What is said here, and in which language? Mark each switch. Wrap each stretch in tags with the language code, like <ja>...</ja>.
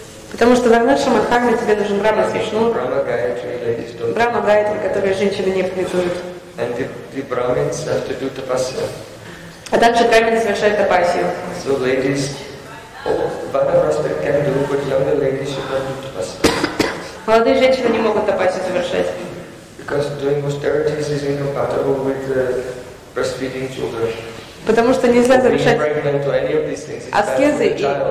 <ru>Потому что в Варнашрама Дхарме тебе нужен браминский шнур. Брама Гайатри, которые женщины не пользуют.</ru> <en>And the Brahmins have to do tapasya.</en> <ru>А также Брамин совершает тапасию.</ru> <en>So ladies, Vanaprastha can do, but younger ladies should not do tapasya.</en> <ru>Молодые женщины не могут тапасию совершать.</ru> <en>Because doing austerities is incompatible with breastfeeding children.</en> <ru>Потому что нельзя совершать аскезы и...</ru>